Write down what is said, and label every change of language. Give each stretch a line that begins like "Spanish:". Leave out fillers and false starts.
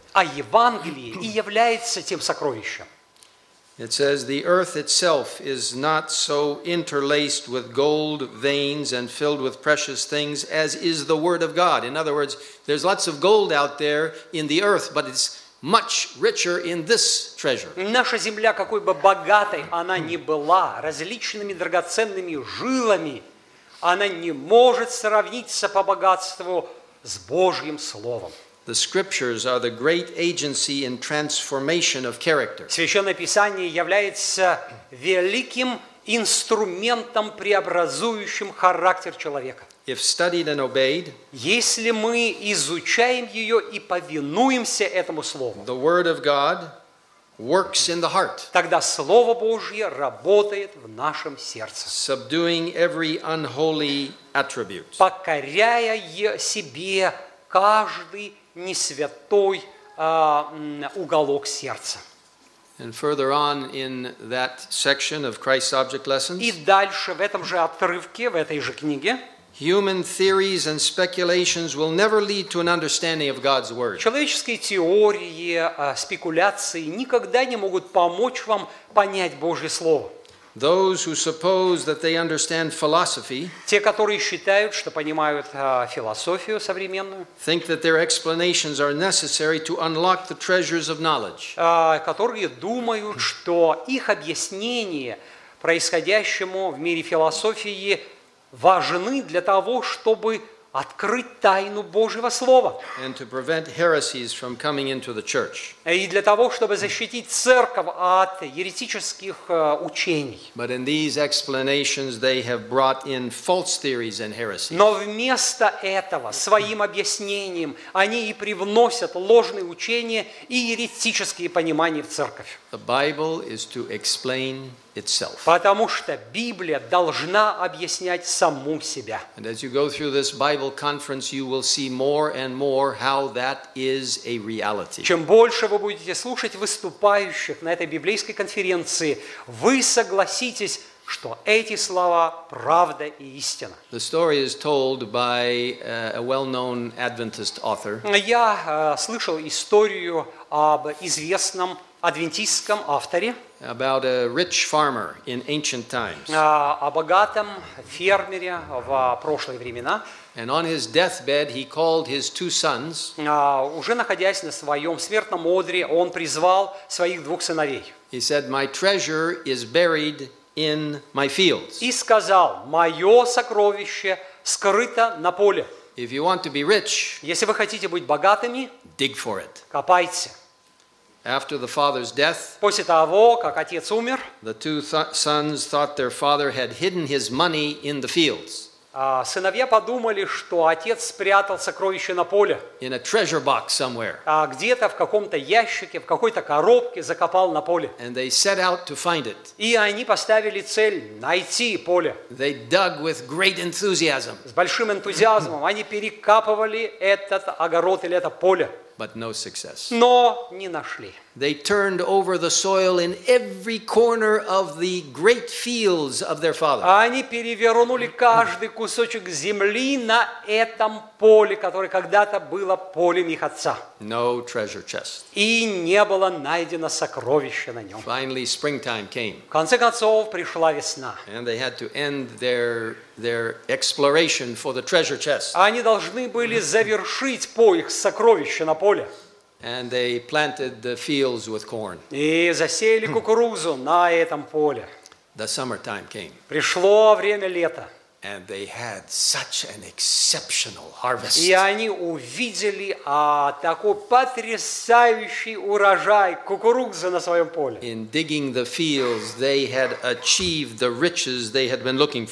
Russian: А Евангелие и является тем сокровищем.
English: It says, the earth itself is not so interlaced with gold veins and filled with precious things as is the word of God. In other words, there's lots of gold out there in the earth, but it's much richer in this treasure.
Russian: Наша земля, какой бы богатой она ни была, различными драгоценными жилами, она не может сравниться по богатству с Божьим Словом.
English: The scriptures are the great agency in transformation of character.
Russian: Священное Писание является великим инструментом, преобразующим характер человека.
English: If studied and obeyed,
Russian: если мы изучаем ее и повинуемся этому Слову,
English: the word of God works in the heart.
Russian: Тогда Слово Божье работает в нашем сердце.
English: Subduing every unholy attribute.
Russian: Покоряя себе каждый несвятой уголок сердца.
English: And further on in that section of Christ's object lessons,
Russian: и дальше в этом же отрывке, в этой же книге,
English: human theories and speculations will never lead to an understanding of God's word.
Russian: Человеческие теории, спекуляции никогда не могут помочь вам понять Божье слово.
English: Those who suppose that they understand philosophy,
Russian: те, которые считают, что понимают философию современную,
English: think that their explanations are necessary to unlock the treasures of knowledge.
Russian: Которые думают, что их объяснения происходящему в мире философии важны для того, чтобы открыть тайну Божьего Слова.
English: And to prevent heresies from coming into the church.
Russian: И для того, чтобы защитить церковь от еретических учений.
English: But in these explanations they have brought in false theories and heresies.
Russian: Но вместо этого своим объяснением они и привносят ложные учения и еретические понимания в церковь.
English: The Bible is to explain itself.
Russian: Потому что Библия должна объяснять саму себя.
English: And as you go through this Bible conference, you will see more and more how that is a reality.
Russian: Чем больше вы будете слушать выступающих на этой библейской конференции, вы согласитесь, что эти слова правда и истина.
English: The story is told by a well-known Adventist author.
Russian: Я слышал историю об известном адвентистском авторе.
English: About a rich farmer in ancient times.
Russian: О богатом фермере в прошлые времена.
English: And on his deathbed he called his two sons.
Russian: Уже находясь на своем смертном одре, он призвал своих двух сыновей.
English: He said, "My treasure is buried in my fields."
Russian: И сказал: "Мое сокровище скрыто на поле."
English: If you want to be rich,
Russian: если вы хотите быть богатыми,
English: dig for it.
Russian: Копайте.
English: After the father's death,
Russian: после того, как отец умер,
English: the two sons thought their father had hidden his money in the fields.
Russian: Сыновья подумали, что отец спрятал сокровище на поле.
English: In a treasure box somewhere.
Russian: Где-то в каком-то ящике, в какой-то коробке закопал на поле.
English: And they set out to find it.
Russian: И они поставили цель найти поле.
English: They dug with great enthusiasm.
Russian: С большим энтузиазмом они перекапывали этот огород или это поле.
English: But no success.
Russian: Но не нашли.
English: They turned over the soil in every corner of the great fields of their father.
Russian: Они перевернули каждый кусочек земли на этом поле, которое когда-то было полем их отца.
English: No treasure chest.
Russian: И не было найдено сокровища на нем.
English: Finally, springtime came.
Russian: В конце концов пришла весна.
English: And they had to end their exploration for the treasure chest.
Russian: Они должны были завершить поиск сокровища на поле.
English: And they planted the fields with corn.
Russian: И засеяли кукурузу на этом поле.
English: The summertime came.
Russian: Пришло время лета.
English: And they had such an exceptional harvest.
Russian: И они увидели такой потрясающий урожай кукурузы на своем поле.
English: In digging the fields, they had achieved the riches they had been looking for.